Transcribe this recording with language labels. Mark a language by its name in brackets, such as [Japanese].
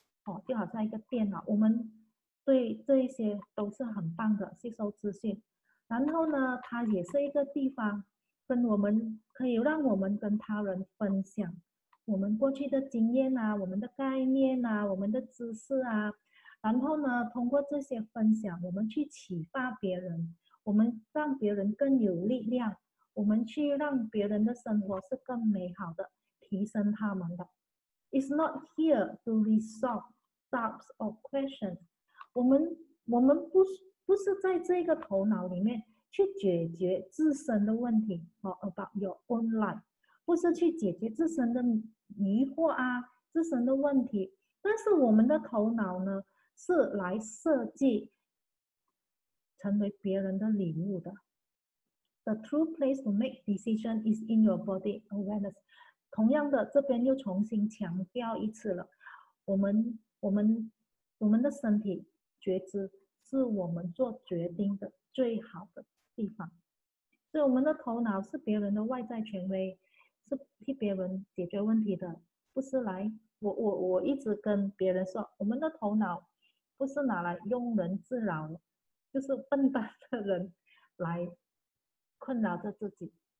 [Chinese] 哦、就好像一个电脑，我们对这一些都是很棒的吸收资讯，然后呢它也是一个地方跟我们可以让我们跟他人分享我们过去的经验啊，我们的概念啊，我们的知识啊，然后呢通过这些分享我们去启发别人，我们让别人更有力量，我们去让别人的生活是更美好的，提升他们的。 [English] It's not here to resolve doubts or questions. [Chinese] 我们 不是在这个头脑里面去解决自身的问题 [English] about your own life， [Chinese] 不是去解决自身的疑惑啊，自身的问题。但是我们的头脑呢，是来设计成为别人的礼物的。 [English] The true place to make decision is in your body awareness. [Chinese] 同样的，这边又重新强调一次了，我们的身体觉知是我们做决定的最好的地方，所以我们的头脑是别人的外在权威，是替别人解决问题的，不是来我一直跟别人说，我们的头脑不是拿来庸人自扰，就是笨蛋的人来困扰着自己。